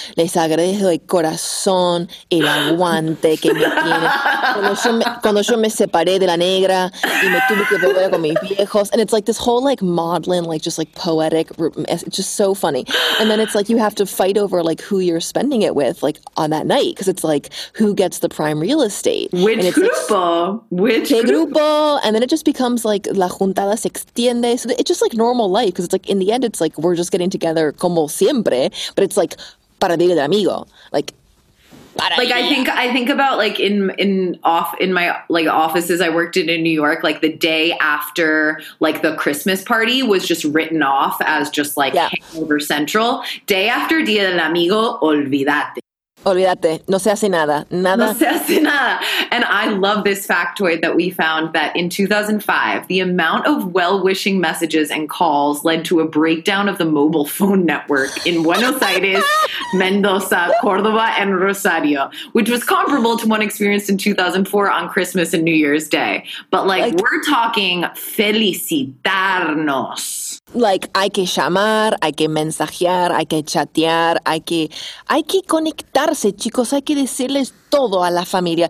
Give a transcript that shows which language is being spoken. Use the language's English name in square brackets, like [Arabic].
[Spanish] Les agradezco el corazón, el aguante que me tiene. Cuando yo me separé de la negra y me tuve que volver con mis viejos. [English] And it's like this whole like maudlin, like just like poetic, it's just so funny. And then it's like you have to fight over like who you're spending it with like on that night, because it's like who gets the prime real estate, which grupo? And then it just becomes like [Spanish] la juntada se extiende, [English] so it's just like normal life, because it's like in the end it's like we're just getting together [Spanish] como siempre, [English] but it's like [Spanish] para día de amigo, [English] like [Spanish] para, like mia. [English] I think about like in my like offices I worked in New York, like the day after like the Christmas party was just written off as just like, yeah, hangover central. [Spanish] Day after Día del Amigo, olvídate, no se hace nada, no se hace nada. [English] And I love this factoid that we found, that in 2005 the amount of well-wishing messages and calls led to a breakdown of the mobile phone network in Buenos Aires, Mendoza, Cordoba, and Rosario, which was comparable to one experienced in 2004 on Christmas and New Year's Day. But like we're talking felicitarnos. [Spanish] Like, hay que llamar, hay que mensajear, hay que chatear, hay que conectarse, chicos, hay que decirles todo a la familia.